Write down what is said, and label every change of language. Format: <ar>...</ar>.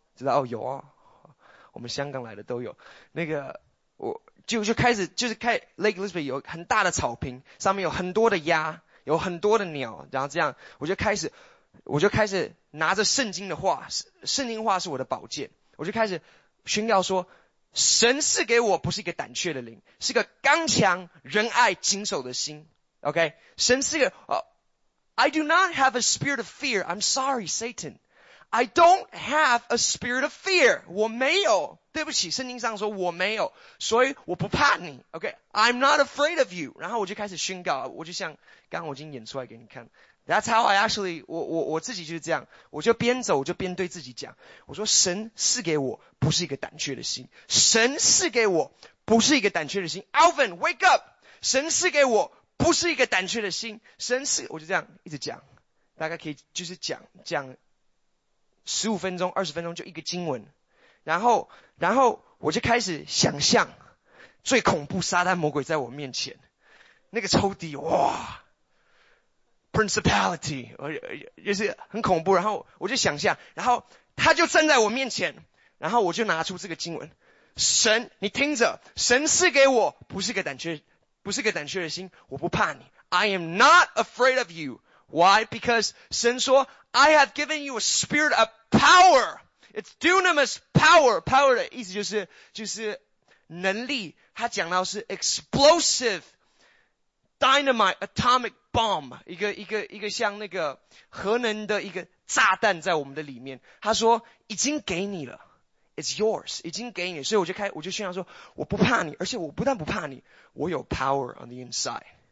<zh>知道哦，有啊、哦、我们香港来的都有。那个我就开始就是开 Lake Elizabeth 有很大的草坪，上面有很多的鸭，有很多的鸟，然后这样我就开始拿着圣经的话，圣经话是我的宝剑，我就开始宣告说，神赐给我不是一个胆怯的灵，是个刚强、仁爱、谨守的心。</zh> <en>OK，</en> <zh>神赐给我、</zh> <en>I do not have a spirit of fear. I'm sorry, Satan. I don't have a spirit of fear.</en> <zh>我没有，对不起，圣经上说我没有，所以我不怕你。</zh> <en>OK， I'm not afraid of you.</en> <zh>然后我就开始宣告，我就像刚刚我已经演出来给你看。</zh> <en>That's how I actually</en> <zh>我自己就是这样，我就边走我就边对自己讲，我说神赐给我不是一个胆怯的心，神赐给我不是一个胆怯的心。 Alvin</zh> <en>wake up，</en> <zh>神赐给我不是一个胆怯的心，神赐，我就这样一直讲，大概可以就是讲15分钟20分钟就一个经文，然后我就开始想象最恐怖撒旦魔鬼在我面前那个仇敌，哇 principality， 就是很恐怖，然后我就想象，然后他就站在我面前，然后我就拿出这个经文，神你听着，神赐给我不是个胆怯的心，我不怕你。</zh> <en>I am not afraid of you. Why? Because</en> <zh>神说</zh> <en>I have given you a spirit of power. It's dunamis power.</en> <zh>Power 的意思就是能力，他讲到是</zh> <en>explosive dynamite atomic bomb，</en> <zh>一个像那个核能的一个炸弹在我们的里面。他说已经给你了 ，</zh> <en>It's yours，</en> <zh>已经给你。所以我就宣告说，我不怕你，而且我不但不怕你，我有</zh> <en>power on the inside。</en>